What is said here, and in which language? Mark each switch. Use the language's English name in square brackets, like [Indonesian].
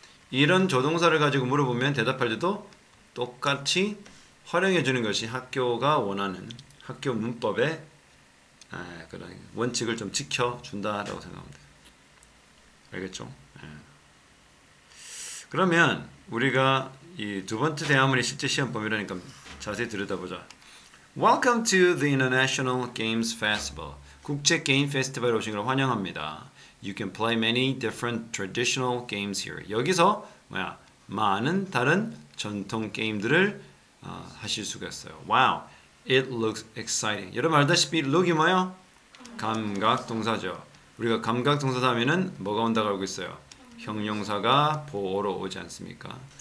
[Korean] 이런 조동사를 가지고 물어보면 대답할 때도 똑같이 활용해 주는 것이 학교가 원하는 학교 문법의 그런 원칙을 좀 지켜준다라고 생각합니다. 알겠죠? 그러면 우리가 이두 번째 대화문이 실제 시험 범위라니까 자세히 들여다보자. [English] Welcome to the International Games Festival. [Korean] 국제 게임 페스티벌에 오신 걸 환영합니다. [English] You can play many different traditional games here. [Korean] 여기서 뭐야? 많은 다른 전통 게임들을 하실 수가 있어요. [English] Wow, it looks exciting. [Korean] 여러분 알다시피 look이 뭐예요? 감각 동사죠. 우리가 감각 동사 다음에는 뭐가 온다고 알고 있어요? 형용사가 보어로 오지 않습니까?